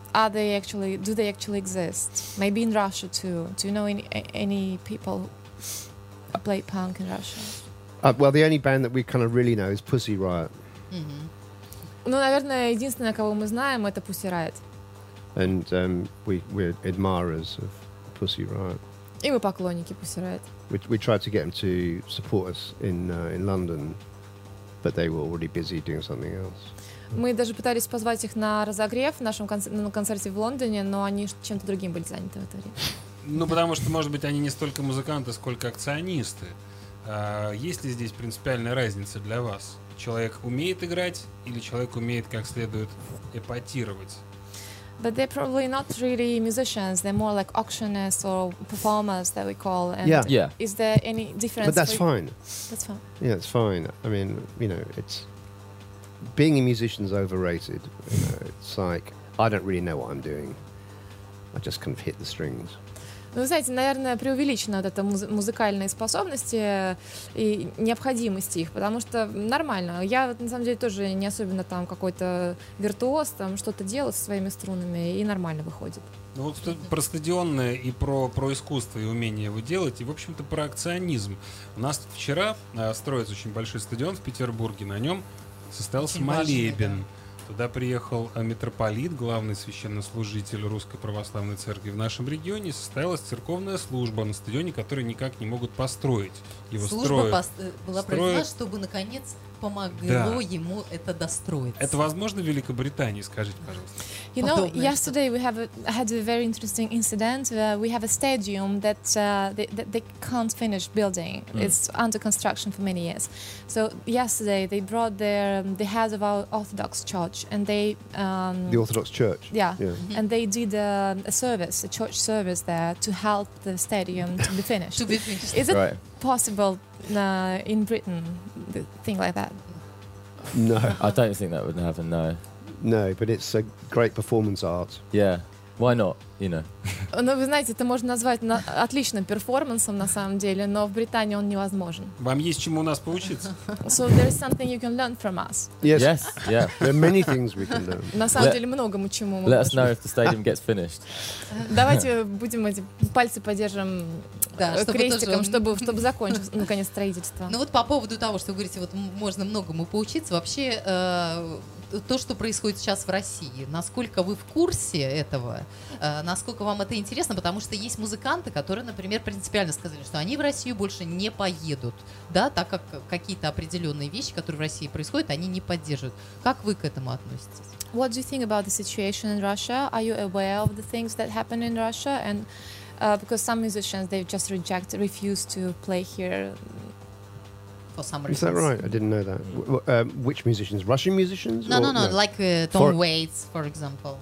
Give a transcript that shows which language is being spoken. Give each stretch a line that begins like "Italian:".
English: Do they actually exist? Maybe in Russia too. Do you know any people who play punk in Russia? Well, the only band that we kind of really know is Pussy Riot.
Russian: Ну, наверное, единственное, кого мы знаем, это Pussy Riot.
English: And we're admirers of Pussy Riot.
Russian: И мы поклонники Pussy Riot.
English: We tried to get them to support us in London, but they were already busy doing something else.
Russian: Мы даже пытались позвать их на разогрев в нашем концерте в Лондоне, но они чем-то другим были заняты в это время. Ну, потому что, может быть, они не столько музыканты, сколько акционисты. Есть ли здесь принципиальная разница для вас? Человек умеет играть или человек умеет как следует эпатировать?
English: But they're probably not really musicians. They're more like auctioners or performers that we call. And yeah, yeah. Is there any difference? But that's fine. That's fine. Yeah, it's fine. I mean, you know, it's being a musician is overrated. You know, it's like I don't really know what I'm doing. I just kind of hit the strings.
Russian: Ну, вы знаете, наверное, преувеличено вот это музыкальные способности и необходимости их, потому что нормально. Я, на самом деле, тоже не особенно там какой-то виртуоз, там что-то делаю со своими струнами, и нормально выходит. Ну, вот про стадионное и про искусство и умение его делать, и, в общем-то, про акционизм. У нас тут вчера строится очень большой стадион в Петербурге, на нем состоялся молебен. Туда приехал митрополит, главный священнослужитель Русской Православной Церкви в нашем регионе. Состоялась церковная служба на стадионе, который никак не могут построить. Его служба строят, была проведена, чтобы, наконец, помогло да. ему это достроиться. Это возможно в Великобритании, скажите, пожалуйста.
English: You know, yesterday we had a very interesting incident. We have a stadium that they can't finish building. It's under construction for many years. So yesterday they brought the head of our Orthodox Church, and they the Orthodox Church. Yeah, yeah. Mm-hmm. And they did a church service there to help the stadium to be finished. To be finished. Is it possible in Britain, the thing like that? No, I don't think that would happen. No. No, but it's a great performance art. Yeah, why not? You know.
Russian: Ну, вы знаете, это можно назвать отличным перформансом на самом деле, но в Британии он невозможен. Вам есть чему у нас поучиться?
English: So there is something you can learn from us. Yes. Yes. Yeah. There are many things we can learn.
Russian: На самом деле многому чему.
English: Let us know if the stadium gets finished.
Russian: Давайте будем эти пальцы подержим. Да, чтобы закончилось наконец строительство. Ну вот по поводу того, что вы говорите, вот можно многому поучиться, вообще то, что происходит сейчас в России, насколько вы в курсе этого, насколько вам это интересно, потому что есть музыканты, которые, например, принципиально сказали, что они в Россию больше не поедут, да, так как какие-то определенные вещи, которые в России происходят, они не поддерживают. Как вы к этому относитесь?
English: What do you think about the situation in Russia? Are you aware of the things that happen in Russia? And because some musicians, they just refuse to play here for some reason. Is that right? I didn't know that. Which musicians? Russian musicians? No. Like Tom Waits, for example.